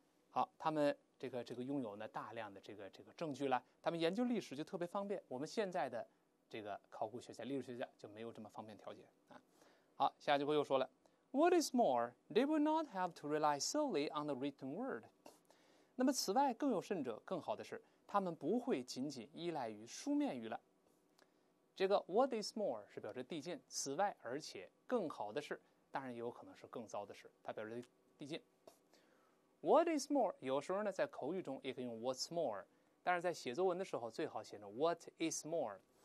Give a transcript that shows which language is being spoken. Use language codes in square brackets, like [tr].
[zh] 好，他们这个拥有呢大量的这个证据了，他们研究历史就特别方便，我们现在的这个考古学家、历史学家就没有这么方便条件啊。好，下一句话又说了 [en] ，What is more, they will not have to rely solely on the written word。 [zh] 那么此外，更有甚者，更好的是，他们不会仅仅依赖于书面语了。这个 [en] What is more [zh] 是表示递进，此外而且更好的是，当然也有可能是更糟的是，它表示递进。 What is more， 有时候呢在口语中也可以用 [en] what's more， [zh] 但是在写作文的时候最好写成 [en] what is more。